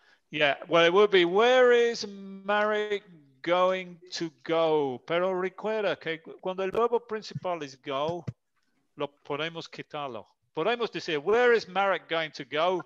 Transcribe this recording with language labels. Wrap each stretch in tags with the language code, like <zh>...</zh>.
<en>Yeah, well, it would be, where is Marek going to go?</en> <es>Pero recuerda que cuando el verbo principal</es> <en>is go,</en> <es>lo podemos quitarlo. Podemos decir,</es> <en>where is Marek going to go?</en>